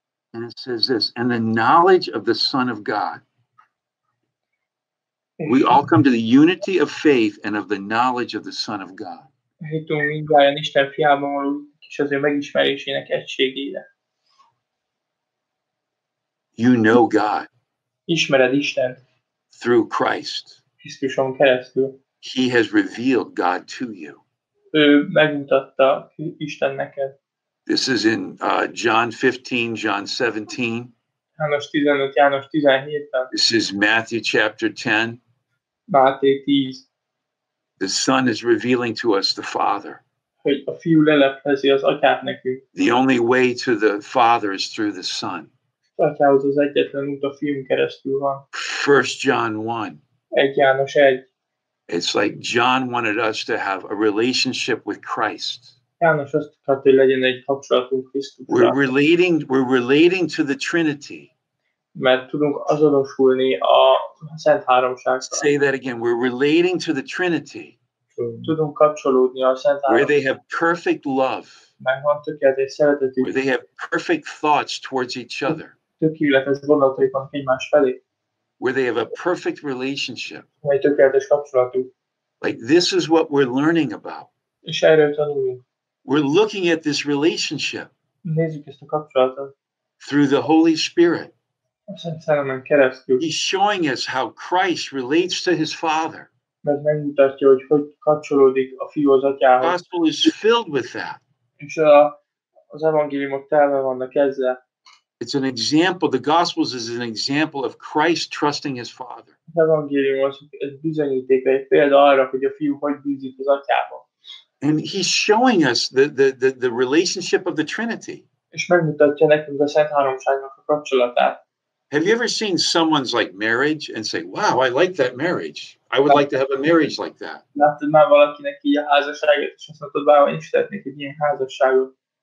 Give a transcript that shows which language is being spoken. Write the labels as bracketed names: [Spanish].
[English] And it says this, and the knowledge of the Son of God. We all come to the unity of faith and of the knowledge of the Son of God. [Hungarian] Hittünk mindjárt Isten fiában való, és az ő megismerésének egységére. [English] You know God. [Hungarian] Ismered Istent. [English] Through Christ. [Hungarian] Krisztuson keresztül. [English] He has revealed God to you. [Hungarian] Ő megmutatta Isten neked. [English] This is in John 15, John 17. [Hungarian] János 15, János 17-ben. [English] This is Matthew chapter 10. [Hungarian] Máté 10. [English] The Son is revealing to us the Father. [Hungarian] Hogy a fiú leleplezi az atyát nekünk. [English] The only way to the Father is through the Son. [Hungarian] Atyához az egyetlen út a fiún keresztül van. [English] 1 John 1. [Hungarian] 1 János 1. [English] It's like John wanted us to have a relationship with Christ. [Hungarian] János azt akart, hogy legyen egy kapcsolatunk Krisztusra. [English] We're relating to the Trinity. [Hungarian] Mert tudunk azonosulni a Szent Háromságra. [English] Say that again. We're relating to the Trinity. [Hungarian] Tudunk kapcsolódni a Szent Háromságra. [English] Where they have perfect love. [Hungarian] Megvan tökéletes szeretetük. [English] Where they have perfect thoughts towards each other. [Hungarian] Tökéletes gondolataik vannak egymás felé. [English] Where they have a perfect relationship. [Hungarian] Egy tökéletes kapcsolatuk. [English] Like this is what we're learning about. [Hungarian] És erről tanulunk. [English] We're looking at this relationship. [Hungarian] Nézzük ezt a kapcsolatot. [English] Through the Holy Spirit. [Hungarian] A Szent Szellemen keresztül. [English] He's showing us how Christ relates to his Father. [Hungarian] Mert megmutatja, hogy kapcsolódik a fiú az atyához. [English] The gospel is filled with that. [Hungarian] És az evangéliumok telve vannak ezzel. [English] It's an example, the Gospels is an example of Christ trusting his Father. [Hungarian] Az evangélium az bizonyíték, egy példa arra, hogy a fiú hogy bízik az atyába. [English] And he's showing us the relationship of the Trinity. [Hungarian] És megmutatja nekünk a Szent Háromságnak a kapcsolatát. [English] Have you ever seen someone's like marriage and say, wow, I like that marriage. I would like to have a marriage like that. [Hungarian] Láttad már valakinek így a házasságot, és azt mondtad, wow, én is szeretnék egy ilyen házasságot.